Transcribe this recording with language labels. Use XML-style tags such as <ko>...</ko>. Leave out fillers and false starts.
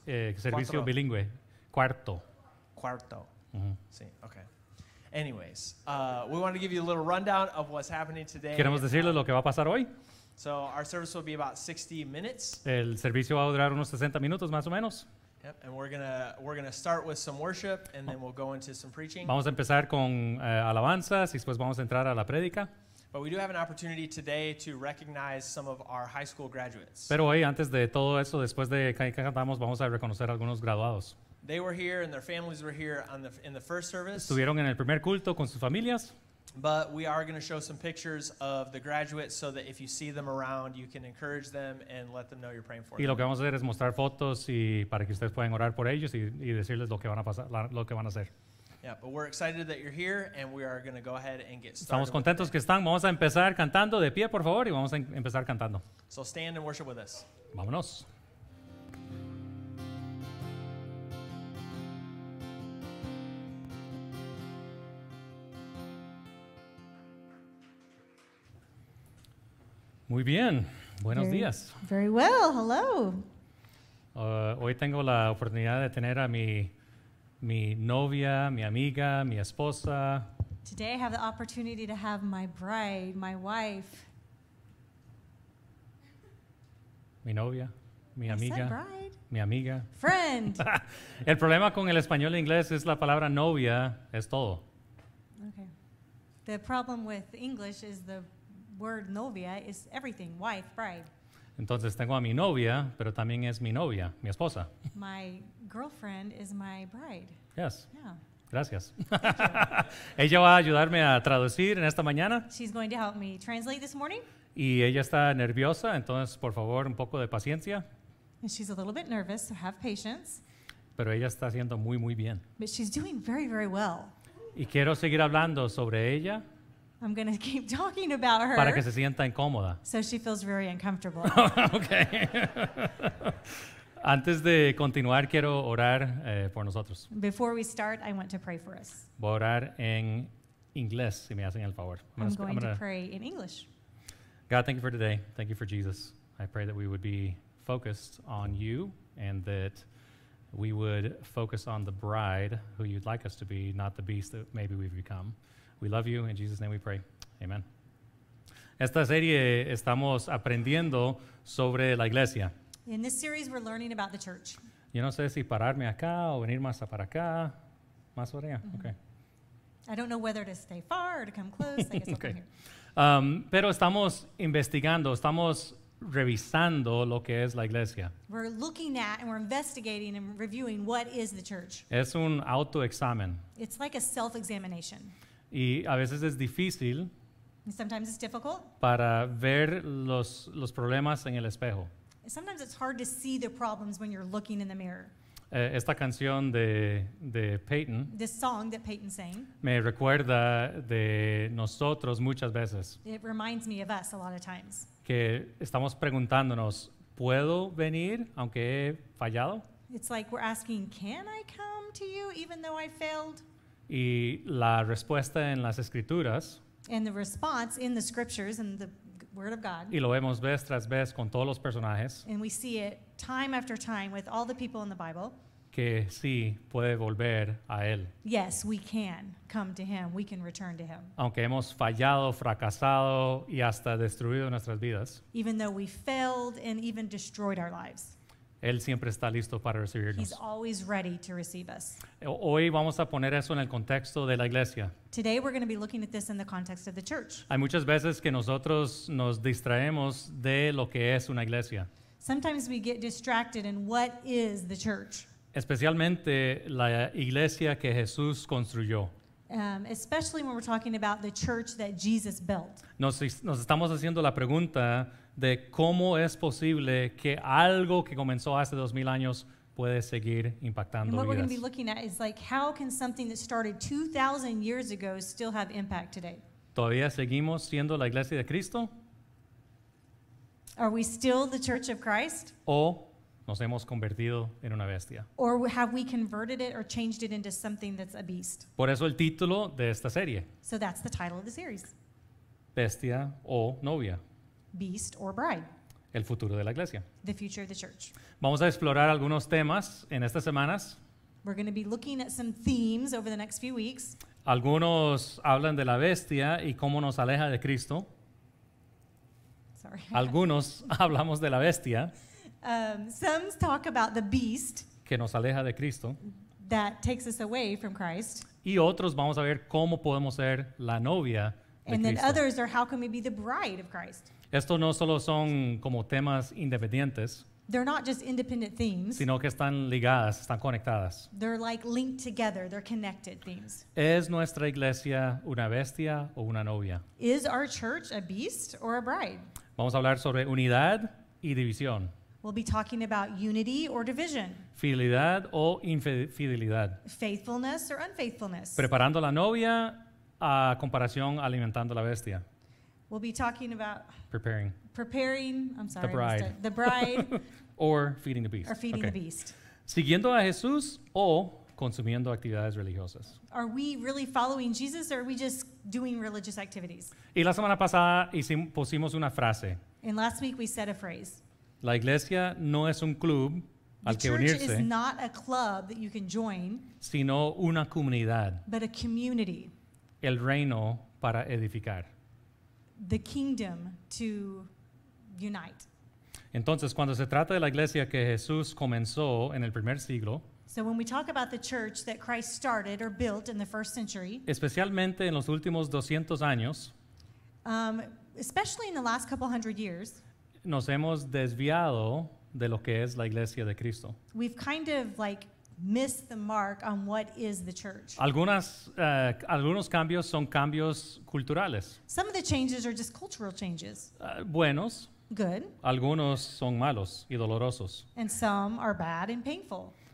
<es>Servicio bilingüe. Cuarto. Cuarto.</es> <en>Mm-hmm. Sí. Okay. Anyways, we want to give you a little rundown of what's happening today.</en> <es>Queremos decirles lo que va a pasar hoy.</es> <en>So our service will be about 60 minutes.</en> <es>El servicio va a durar unos 60 minutos más o menos.</es> <en>Yep. And we're gonna start with some worship, and then we'll go into some preaching.</en> <es>Vamos a empezar con alabanzas, y después vamos a entrar a la prédica.</es> <en>But we do have an opportunity today to recognize some of our high school graduates.</en> <es>Pero hoy, antes de todo eso, después de que cantamos, vamos a reconocer algunos graduados.</es> <en>They were here, and their families were here in the first service.</en> <es>Estuvieron en el primer culto con sus familias.</es> <en>But we are going to show some pictures of the graduates so that if you see them around, you can encourage them and let them know you're praying for them.</en> <es>Y lo que vamos a hacer es mostrar fotos y para que ustedes puedan orar por ellos y decirles lo que van a pasar, lo que van a hacer.</es> <en>Yeah, but we're excited that you're here, and we are going to go ahead and get started.</en> <es>Estamos contentos que están. Vamos a empezar cantando de pie, por favor, y vamos a empezar cantando.</es> <en>So stand and worship with us.</en> <es>Vámonos. Muy bien. Buenos</es> <en>very,</en> <es>días.</es> <en>Very well. Hello.</en> <es>Hoy tengo la oportunidad de tener a mi novia, mi amiga, mi esposa.</es> <en>Today I have the opportunity to have my bride, my wife.</en> <es>Mi novia, mi</es> <en>I</en> <es>amiga.</es> <en>Said bride.</en> <es>Mi amiga.</es> <en>Friend.</en> <es>El problema con el español e inglés es la palabra novia es todo.</es> <en>Okay. The problem with English is the word novia is everything, wife, bride.</en> <es>Entonces tengo a mi novia, pero también es mi novia, mi esposa.</es> <en>My girlfriend is my bride. Yes. Yeah.</en> <es>Gracias. Ella va a ayudarme a traducir en esta mañana.</es> <en>She's going to help me translate this morning.</en> <es>Y ella está nerviosa, entonces por favor un poco de paciencia.</es> <en>And she's a little bit nervous, so have patience.</en> <es>Pero ella está haciendo muy, muy bien.</es> <en>But she's doing very, very well.</en> <es>Y quiero seguir hablando sobre ella.</es> <en>I'm going to keep talking about her.</en> <es>Para que se sienta incómoda.</es> <en>So she feels very uncomfortable.</en> <es>Okay. Antes de continuar, quiero orar por nosotros.</es> <en>Before we start, I want to pray for us.</en> <es>Voy a orar en inglés, si me hacen el favor.</es> <en>I'm going to pray in English. God, thank you for today. Thank you for Jesus. I pray that we would be focused on you and that we would focus on the bride who you'd like us to be, not the beast that maybe we've become. We love you. In Jesus' name we pray. Amen.</en> <es>Esta serie estamos aprendiendo sobre la iglesia.</es> <en>In this series, we're learning about the church.</en> <es>Yo no sé si pararme acá o venir más para acá. Más para allá. Mm-hmm. Okay.</es> <en>I don't know whether to stay far or to come close. I guess I'll okay. come here.</en> <es>Pero estamos investigando, estamos revisando lo que es la iglesia.</es> <en>We're looking at and we're investigating and reviewing what is the church.</en> <es>Es un autoexamen.</es> <en>It's like a self-examination.</en> <es>Y a veces es difícil</es> <en>sometimes it's difficult.</en> <es>Para ver los problemas en el espejo.</es> <en>Sometimes it's hard to see the problems when you're looking in the mirror.</en> <es>Esta canción de Peyton,</es> <en>this song that Peyton sang,</en> <es>me recuerda de nosotros muchas veces.</es> <en>It reminds me of us a lot of times.</en> <es>Que estamos preguntándonos, ¿puedo venir aunque he fallado?</es> <en>It's like we're asking, can I come to you even though I failed?</en> <es>Y la respuesta en las escrituras.</es> <en>And the response in the scriptures and the word of God.</en> <es>Y lo vemos vez tras vez con todos los personajes.</es> <en>And we see it time after time with all the people in the Bible.</en> <es>Que sí puede volver a él.</es> <en>Yes, we can come to him. We can return to him.</en> <es>Aunque hemos fallado, fracasado y hasta destruido nuestras vidas.</es> <en>Even though we failed and even destroyed our lives.</en> <es>Él siempre está listo para recibirnos.</es> <en>He's always ready to receive us.</en> <es>Hoy vamos a poner eso en el contexto de la iglesia.</es> <en>Today we're going to be looking at this in the context of the church.</en> <es>Hay muchas veces que nosotros nos distraemos de lo que es una iglesia.</es> <en>Sometimes we get distracted in what is the church.</en> <es>Especialmente la iglesia que Jesús construyó.</es> <en>Especially when we're talking about the church that Jesus built.</en> <es>Nos estamos haciendo la pregunta de cómo es posible que algo que comenzó hace 2,000 años puede seguir impactando vidas.</es> <en>And what we're going to be looking at is like how can something that started 2,000 years ago still have impact today?</en> <es>¿Todavía seguimos siendo la iglesia de Cristo?</es> <en>Are we still the church of Christ?</en> <es>¿O nos hemos convertido en una bestia?</es> <en>Or have we converted it or changed it into something that's a beast?</en> <es>Por eso el título de esta serie.</es> <en>So that's the title of the series.</en> <es>Bestia o novia.</es> <en>Beast or bride.</en> <es>El futuro de la iglesia.</es> <en>The future of the church.</en> <es>Vamos a explorar algunos temas en estas semanas.</es> <en>We're going to be looking at some themes over the next few weeks.</en> <es>Algunos hablan de la bestia y cómo nos aleja de Cristo.</es> <en>Sorry.</en> <es>Algunos hablamos de la bestia.</es> <en>Some talk about the beast</en> <es>que nos aleja de Cristo,</es> <en>that takes us away from Christ.</en> <es>Y otros vamos a ver cómo podemos ser la novia de Cristo.</es> <en>And then others are how can we be the bride of Christ.</en> <es>Estos no solo son como temas independientes.</es> <en>They're not just independent themes.</en> <es>Sino que están ligadas, están conectadas.</es> <en>They're like linked together, they're connected themes.</en> <es>¿Es nuestra iglesia una bestia o una novia?</es> <en>Is our church a beast or a bride?</en> <es>Vamos a hablar sobre unidad y división.</es> <en>We'll be talking about unity or division.</en> <es>Fidelidad o infidelidad.</es> <en>Faithfulness or unfaithfulness.</en> <es>Preparando la novia a comparación alimentando la bestia.</es> <en>We'll be talking about preparing. Preparing, I'm sorry. The bride. The bride. Or feeding the beast. Or feeding okay. The beast.</en> <es>Siguiendo a Jesús o consumiendo actividades religiosas.</es> <en>Are we really following Jesus or are we just doing religious activities?</en> <es>Y la semana pasada pusimos una frase.</es> <en>And last week we said a phrase.</en> <es>La iglesia no es un club al que unirse.</es> <en>The church is not a club that you can join.</en> <es>Sino una comunidad.</es> <en>But a community.</en> <es>El reino para edificar.</es> <en>The kingdom to unite.</en> <es>Entonces, cuando se trata de la iglesia que Jesús comenzó en el primer siglo.</es> <en>So when we talk about the church that Christ started or built in the first century.</en> <es>Especialmente en los últimos 200 años.</es> <en>Especially in the last couple hundred years.</en> <es>Nos hemos desviado de lo que es la iglesia de Cristo.</es> <en>We've kind of like missed the mark on what is the church.</en> <es>Algunos cambios son cambios culturales.</es> <en>Some of the changes are just cultural changes.</en> <es>Buenos.</es> <en>Good.</en> <es>Algunos son malos y dolorosos.</es> <en>And some are bad and painful.</en>